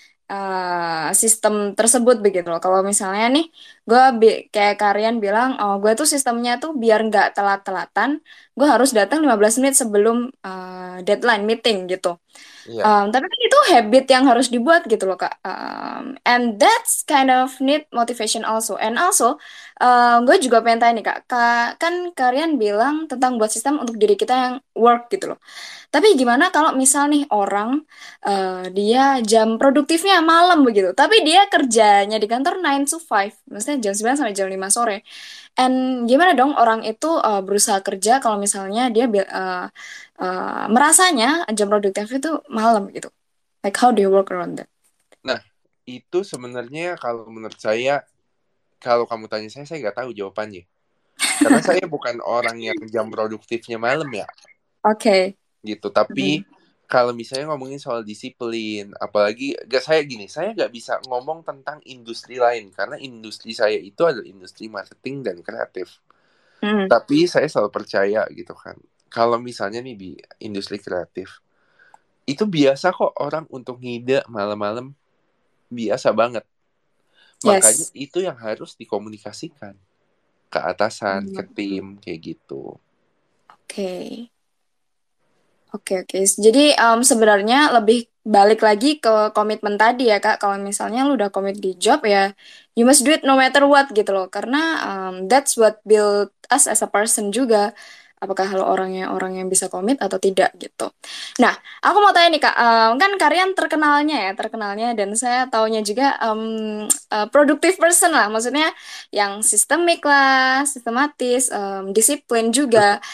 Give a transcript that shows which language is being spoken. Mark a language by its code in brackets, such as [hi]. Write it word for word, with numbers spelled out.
[id] eh, Sistem tersebut begitu loh. Kalau misalnya nih, gue kayak Karian bilang, oh gue tuh sistemnya tuh biar nggak telat-telatan, gue harus datang lima belas menit sebelum eh, deadline meeting gitu. Iya, Um, tapi kan itu habit yang harus dibuat gitu loh Kak. [en] Um, and that's kind of need motivation also. And also, [id] um, gue juga pengen tanya nih Kak, Ka- kan Karian bilang tentang buat sistem untuk diri kita yang work gitu loh. Tapi gimana kalau misal nih orang eh, dia jam produktifnya malam begitu, tapi dia kerjanya di kantor [en] nine to five, [id] maksudnya jam sembilan sampai jam lima sore. And gimana dong orang itu eh, berusaha kerja kalau misalnya dia bi- eh, eh, merasanya jam produktif itu malam gitu. [en] Like how do you work around that? [id] nah itu sebenarnya kalau menurut saya, kalau kamu tanya saya, saya nggak tahu jawabannya. Karena saya bukan orang yang jam produktifnya malam ya, Oke. gitu. Tapi Mm. kalau misalnya ngomongin soal disiplin, apalagi gak saya gini, saya nggak bisa ngomong tentang industri lain karena industri saya itu adalah industri marketing dan kreatif. Mm. Tapi saya selalu percaya gitu kan. Kalau misalnya nih di industri kreatif, itu biasa kok orang untuk ngide malam-malam, biasa banget. Makanya Yes. itu yang harus dikomunikasikan ke atasan, ke Mm. tim, kayak gitu. Oke. Oke, oke. Jadi um, sebenarnya lebih balik lagi ke komitmen tadi ya Kak. Kalau misalnya lu udah komit di job ya, [en] you must do it no matter what [id] gitu loh. Karena um, [en] that's what build us as a person [id] juga. Apakah lo orangnya orang yang bisa komit atau tidak gitu. Nah, aku mau tanya nih Kak, um, kan Karian terkenalnya ya, terkenalnya dan saya taunya juga um, uh, [en] productive person [id] lah. Maksudnya yang sistemik lah, sistematis, um, disiplin juga.